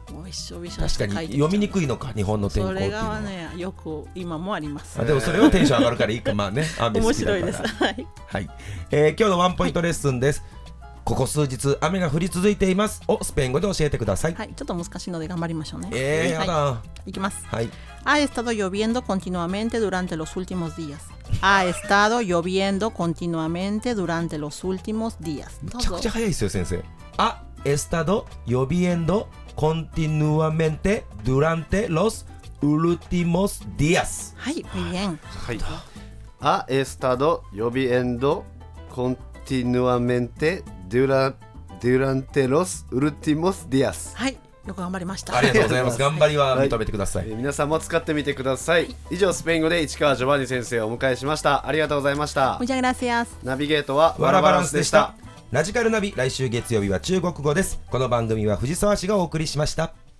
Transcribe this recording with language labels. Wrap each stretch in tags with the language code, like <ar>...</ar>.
<ja>確かに読みにくいのか日本の天候っていうのは。それがねよく今もあります。でもそれはテンション上がるからいいか。まあね、雨好きだから面白いです、はいはい。今日のワンポイントレッスンです。はい、ここ数日雨が降り続いていますをスペイン語で教えてください。はい、ちょっと難しいので頑張りましょうね。やだ、はい、いきます。はい、</ja> <es>ha estado lloviendo continuamente durante los últimos días. ha estado lloviendo continuamente durante los últimos días.</es> <ja>めちゃくちゃ早いですよ先生。</ja> <es>ha estado lloviendo continuamente durante los últimos días.</es> <ja>はい、</ja> <es>muy bien. ha estado lloviendo continuamenteDurante los últimos días。</es> <ja>はい、よく頑張りました。ありがとうございます。頑張りは認めてください、はい、皆さんも使ってみてください、はい、以上スペイン語で市川ジョバンニ先生をお迎えしました。ありがとうございました。</ja> <es>Muchas gracias。</es> <ja>ナビゲートはワラバランスでした。ラジカルナビ、来週月曜日は中国語です。この番組は藤沢氏がお送りしました。</ja>